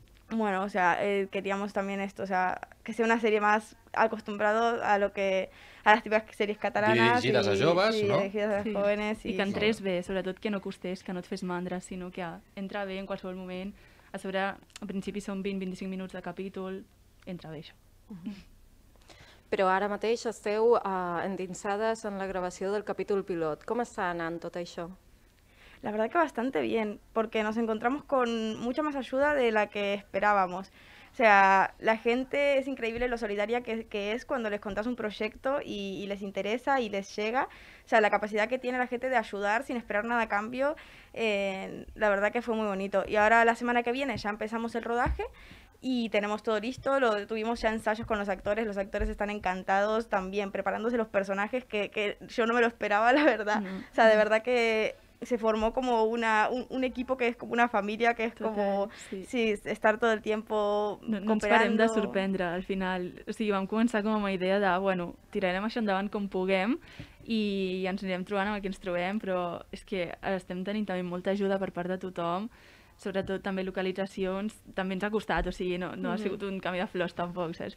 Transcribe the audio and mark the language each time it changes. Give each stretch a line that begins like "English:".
Spanish: Bueno, o sea, queríamos también esto, o sea, que sea una serie más acostumbrada a lo que...
Catalan: A les típiques sèries catalanes. Dirigides a joves, sí, no? Dirigides a sí.
Spanish: jóvenes.
Catalan: I que entrés bé, sobretot que no costés, que no et fes mandra, sinó que entra bé en qualsevol moment. A sobre, al principi són 20-25 minuts de capítol, entra bé això. Però ara mateix esteu endinsades en la gravació del capítol pilot.
Spanish: ¿Cómo está
Catalan: anant tot això?
Spanish: La verdad que bastante bien, porque nos encontramos con mucha más ayuda de la que esperábamos. O sea, la gente es increíble lo solidaria que es cuando les contás un proyecto y les interesa y les llega. O sea, la capacidad que tiene la gente de ayudar sin esperar nada a cambio, la verdad que fue muy bonito. Y ahora la semana que viene ya empezamos el rodaje y tenemos todo listo, tuvimos ya ensayos con los actores están encantados también, preparándose los personajes que yo no me lo esperaba, la verdad. No. O sea, de verdad que se formó como un equipo que es como una familia, que es total, como sí. Sí, estar todo el tiempo cooperando.
Catalan: No ens parem de sorprendre, al final. O sigui, vam començar com amb la idea de, bueno, tirarem això endavant com puguem i ens anirem trobant amb el que ens trobem, però és que estem tenint també molta ajuda per part de tothom. Sobretot també localitzacions, també ens ha costat, o sigui, no ha sigut un canvi de flors tampoc, saps?